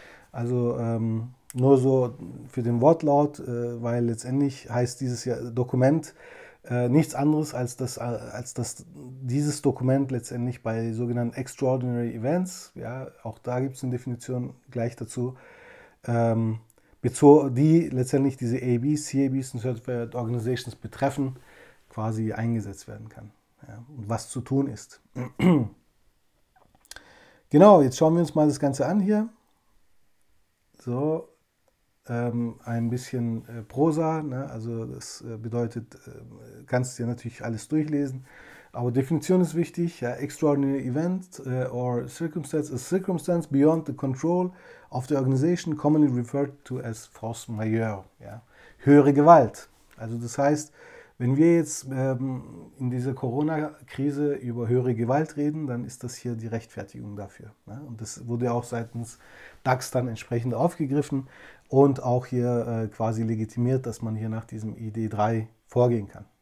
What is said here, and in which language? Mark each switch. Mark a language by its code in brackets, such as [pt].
[de] Also nur so für den Wortlaut, weil letztendlich heißt dieses ja Dokument nichts anderes, als dass dieses Dokument letztendlich bei sogenannten Extraordinary Events, ja, auch da gibt es eine Definition gleich dazu, die letztendlich diese ABs, CABs und Certified Organizations betreffen, quasi eingesetzt werden kann. Ja, und was zu tun ist. Genau, jetzt schauen wir uns mal das Ganze an hier. So, ein bisschen Prosa, ne? Also das bedeutet, kannst dir natürlich alles durchlesen. Aber Definition ist wichtig. [en] Ja, extraordinary event or circumstance, a circumstance beyond the control of the organization, commonly referred to as force majeure. [de] Ja? Höhere Gewalt. Also das heißt, wenn wir jetzt in dieser Corona-Krise über höhere Gewalt reden, dann ist das hier die Rechtfertigung dafür. Ne? Und das wurde auch seitens DAX dann entsprechend aufgegriffen und auch hier quasi legitimiert, dass man hier nach diesem ID3 vorgehen kann.